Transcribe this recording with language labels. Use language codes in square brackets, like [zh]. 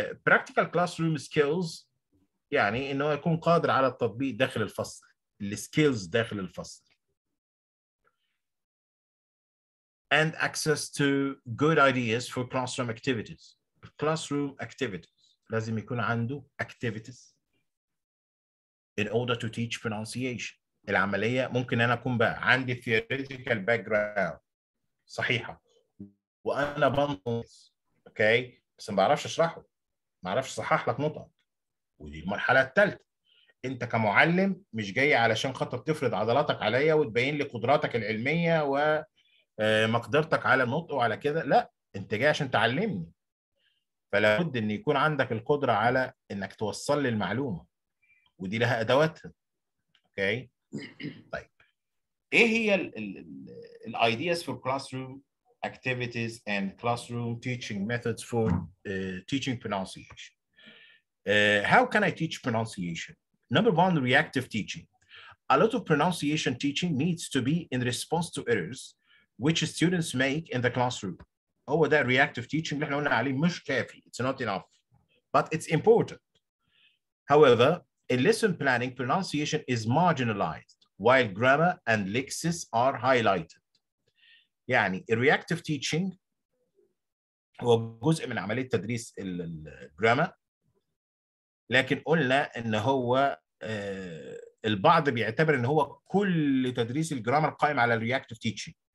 [en] Practical classroom skills [ar] يعني إنه يكون قادر على التطبيق داخل الفصل. السكيلز داخل الفصل. [en] And access to good ideas for classroom activities. Classroom activities. [ar] لازم يكون عنده [en] activities in order to teach pronunciation. [ar] العملية ممكن أنا أكون بقى عندي [en] theoretical background [ar] صحيحة وأنا بنطق أوكي بس ما بعرفش اشرحه، ما اعرفش صحح لك نطق. ودي المرحله الثالثه. انت كمعلم مش جاي علشان خاطر تفرض عضلاتك عليا وتبين لي قدراتك العلميه ومقدرتك على النطق وعلى كده، لا انت جاي عشان تعلمني. فلابد ان يكون عندك القدره على انك توصل لي المعلومه ودي لها ادواتها. [en] okay [ar] طيب ايه هي [en] الايدياز for classroom activities and classroom teaching methods for teaching pronunciation. How can I teach pronunciation? Number one, reactive teaching. A lot of pronunciation teaching needs to be in response to errors which students make in the classroom. Oh, that reactive teaching, it's not enough, but it's important. However, in lesson planning, pronunciation is marginalized while grammar and lexis are highlighted. [ar] يعني الرياكتيف تيتشنج هو جزء من عمليه تدريس الجرامر لكن قلنا ان هو البعض بيعتبر ان هو كل تدريس الجرامر قائم على الرياكتيف تيتشنج.